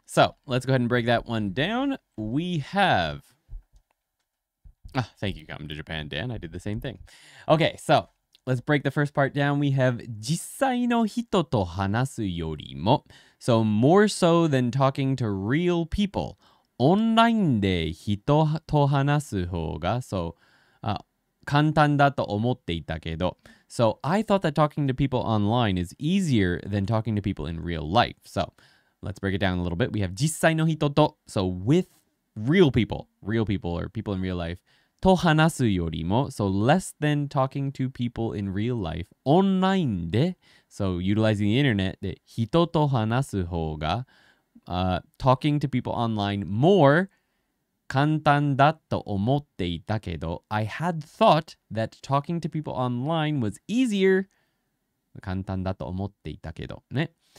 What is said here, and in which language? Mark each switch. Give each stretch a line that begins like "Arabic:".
English: So let's go ahead and break that one down. We have. Ah, thank you. Coming to Japan, Dan. I did the same thing. Okay. So let's break the first part down. We have
Japanese: 実際の人と話すよりも.
English: So more so than talking to real people.
Japanese: オンラインで人と話す方が. So, 簡単だと思っていたけど。
English: So I thought that talking to people online is easier than talking to people in real life. So let's break it down a little bit. We have
Japanese: 実際の人と,
English: so with real people or people in real life,
Japanese: と話すよりも,
English: so less than talking to people in real life,
Japanese: オンラインで,
English: so utilizing the internet,
Japanese: で人と話す方が,
English: talking to people online more,
Japanese: 簡単だと思っていたけど
English: I had thought that talking to people online was easier
Japanese: 簡単だと思っていたけどね